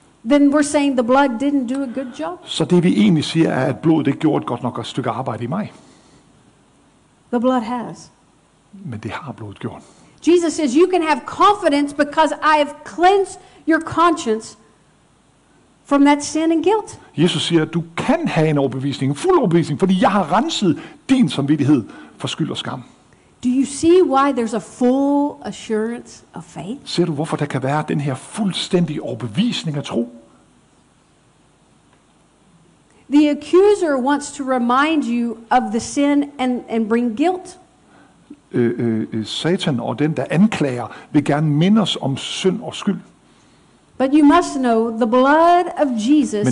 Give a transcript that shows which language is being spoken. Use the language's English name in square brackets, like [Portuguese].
[English] then we're saying the blood didn't do a good job. [Danish] Så det vi egentlig siger er, at blodet ikke gjorde godt nok et stykke arbejde i mig. [English] The blood has. [Danish] Men det har blodet gjort. [English] Jesus says you can have confidence because I have cleansed your conscience from that sin and guilt. [Danish] Jesus siger, at du kan have en overbevisning, en fuld overbevisning, fordi jeg har renset din samvittighed for skyld og skam. [English] Do you see why there's a full assurance of faith? [Danish] Ser du hvorfor der kan være den her fuldstændige overbevisning af tro? [English] The accuser wants to remind you of the sin and bring guilt. [Danish] Satan og den der anklager vil gerne minde os om synd og skyld. [English] But you must know the blood of Jesus.